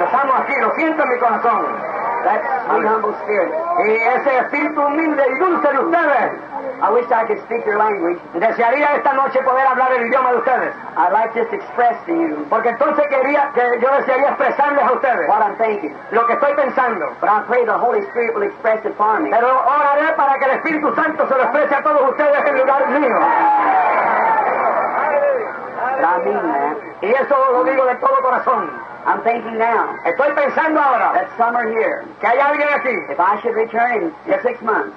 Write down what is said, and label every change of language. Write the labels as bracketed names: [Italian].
[Spanish] Los amo aquí, los siento en mi corazón. [English] That's my humble spirit. [Spanish] Y ese espíritu humilde y dulce de ustedes. [English] I wish I could speak your language. [Spanish] Desearía esta noche poder hablar el idioma de ustedes. [English] I'd like just to express to you. [Spanish] Porque entonces quería que yo desearía expresarles a ustedes. [English] What I'm thinking. [Spanish] Lo que estoy pensando. [English] But I pray the Holy Spirit will express it for me. [Spanish] Pero oraré para que el Espíritu Santo se lo exprese a todos ustedes en lugar mío. [English] But I mean that. [Spanish] Y eso lo digo de todo corazón. [English] I'm thinking now. [Spanish] Estoy pensando ahora. [English] That summer here. [Spanish] Que hay alguien aquí. [English] If I should return in 6 months.